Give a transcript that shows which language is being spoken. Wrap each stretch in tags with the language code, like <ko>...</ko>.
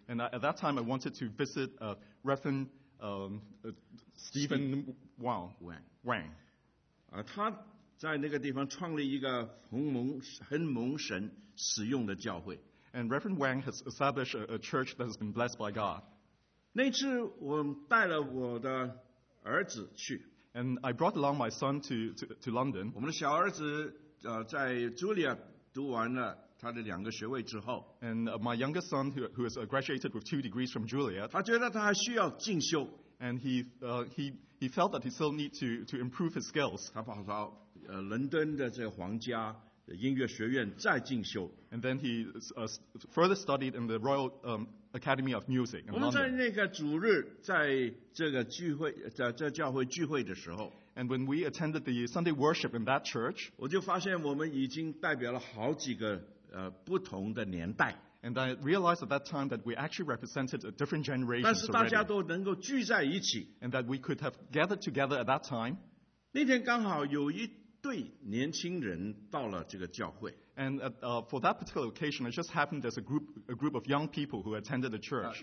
<en>and at that time I wanted to visit Reverend Stephen Wang.</en> <zh>他在那个地方创立一个很蒙神使用的教会,</zh> <en>and Reverend Wang has established a church that has been blessed by God.</en> <zh>那次我带了我的儿子去,</zh> <en>and I brought along my son to London.</en> <zh>我们的小儿子, 在Julia读完了他的两个学位之后,</zh> <en>and my youngest son, who has graduated with 2 degrees from Julia,</en> <zh>他觉得他还需要进修,</zh> <en>and he felt that he still needed to improve his skills.</en> <zh>他跑到, 伦敦的这个皇家音乐学院再进修,</zh> <en>and then he further studied in the Royal Academy of Music in London.</en> <zh>我们在那个主日在这个聚会, 在这教会聚会的时候,</zh> <en>and when we attended the Sunday worship in that church,</en> <zh>我就发现我们已经代表了好几个, 不同的年代,</zh> <en>and I realized at that time that we actually represented a different generation already, and that we could have gathered together at that time.</en> <zh>那天刚好有一对年轻人到了这个教会,</zh> <en>and for that particular occasion, it just happened there's a group of young people who attended the church.</en>